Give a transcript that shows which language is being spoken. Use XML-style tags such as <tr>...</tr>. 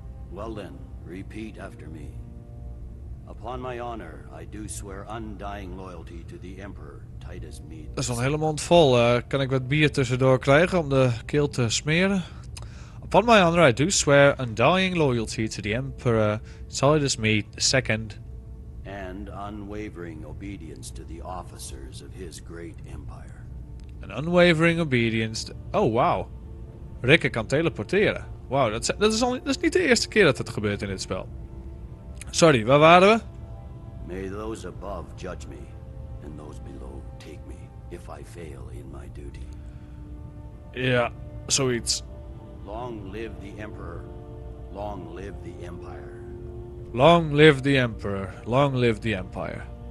<en>Well then, repeat after me. Upon my honor, I do swear undying loyalty to the Emperor Titus Mead.</en> <nl>Dat is wel een hele mond vol. Kan ik wat bier tussendoor krijgen om de keel te smeren?</nl> <en>Upon my honor, I do swear undying loyalty to the Emperor Titus Mead II. And unwavering obedience to the officers of his great empire. An unwavering obedience.</en> <nl>Rikke kan teleporteren. Wauw, dat is niet de eerste keer dat het gebeurt in dit spel. Sorry, waar waren we?</nl> <en>May those above judge me, and those below take me if I fail in my duty.</en> <nl>Yeah, zoiets.</nl> <en>Long live the Emperor. Long live the Empire. Long live the Emperor. Long live the Empire.</en>